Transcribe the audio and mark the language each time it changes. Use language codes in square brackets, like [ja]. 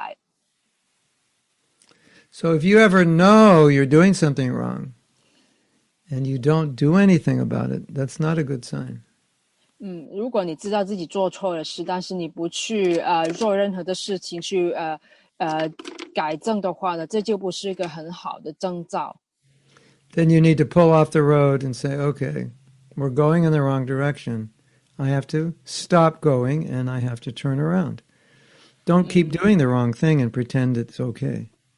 [zh] 那但是这个是一个很好的比喻，就是我们要常常去审视自己，看看这个方向有没有错。比如说我们发现呢，我在合理化自己不对的行为，那我们就要改正过来。 [en] So if you ever know you're doing something wrong, and you don't do anything about it, that's not a good sign. [zh] 如果你知道自己做错了事，但是你不去做任何的事情去改正的话呢，这就不是一个很好的征兆。 [en] Then you need to pull off the road and say, okay, we're going in the wrong direction. I have to stop going and I have to turn around. Don't keep doing the wrong thing and pretend it's okay.